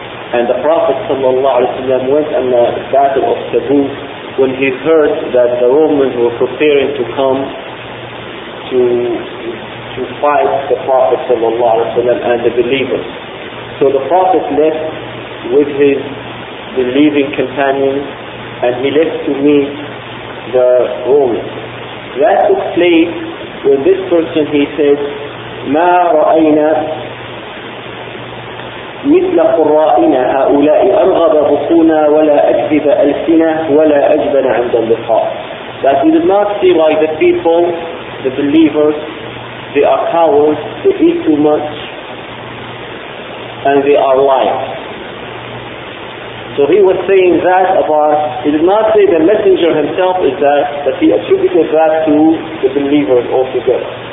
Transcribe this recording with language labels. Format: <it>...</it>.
<en>And the Prophet ﷺ went on the battle of Tabuk when he heard that the Romans were preparing to come to fight the Prophet ﷺ and the believers. So the Prophet left with his believing companions and he left to meet the Romans. That took place when this person, he said,</en> <ar>"مَا رَأَيْنَا مِثْلَ قُرَّائِنَا هَؤُلَاءِ أَرْغَبَ بُطُونَا وَلَا أَجْبِبَ أَلْسِنَا وَلَا أَجْبَنَ عَنْدَ اللِّقَاءِ."</ar> <en>That we did not see like the people, the believers, they are cowards, they eat too much, and they are lying. So he was saying that about, he did not say the messenger himself is that, but he attributed that to the believers altogether.</en>